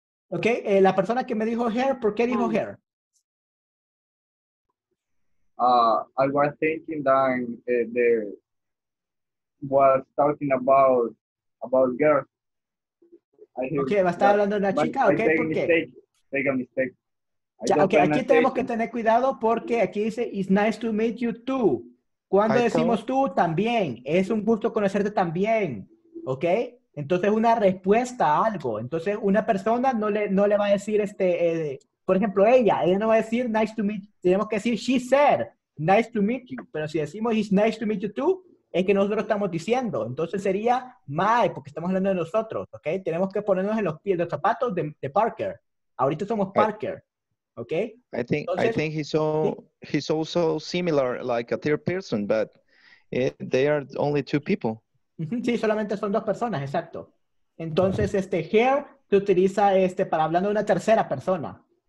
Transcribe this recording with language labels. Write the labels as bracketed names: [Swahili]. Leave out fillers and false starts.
[Spanish] Okay, la persona que me dijo her, ¿por qué dijo her? [English] I was thinking that they was talking about girls. [Spanish] Ok, va a estar hablando de una chica, ok, ¿por qué? [English] Take a mistake. [Spanish] Okay, aquí tenemos que tener cuidado porque aquí dice, [English] it's nice to meet you too. [Spanish] Cuando decimos tú, también, es un gusto conocerte también, ok. Entonces, una respuesta a algo. Entonces, una persona no le va a decir, por ejemplo, ella no va a decir, [English] nice to meet you. [Spanish] Tenemos que decir, [English] she said, nice to meet you. [Spanish] Pero si decimos, [English] it's nice to meet you too, [Spanish] es que nosotros estamos diciendo. Entonces, sería, my, porque estamos hablando de nosotros, ¿ok? Tenemos que ponernos en los pies, los zapatos de Parker. Ahorita somos Parker, ¿ok? [English] I think he's also similar, like a third person, but they are only two people. [Spanish] Sí, solamente son dos personas, exacto. Entonces, here se utiliza para hablando de una tercera persona.